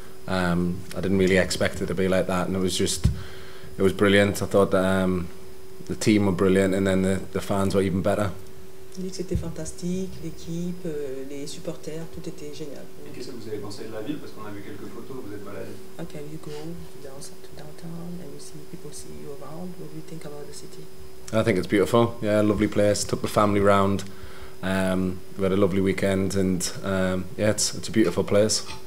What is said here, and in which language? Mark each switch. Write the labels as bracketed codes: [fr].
[en] I didn't really expect it to be like that, and it was brilliant. I thought that the team were brilliant, and then the fans were even better. [fr] On dit que c'était fantastique, l'équipe, les supporters, tout était génial. Et qu'est-ce que vous avez pensé de la ville? Parce qu'on a vu quelques photos, vous êtes baladé. [en] Okay, you go down to downtown and you see people see you around. What do you think about the city? I think it's beautiful. Yeah, lovely place. Took the family round. We had a lovely weekend and yeah, it's a beautiful place.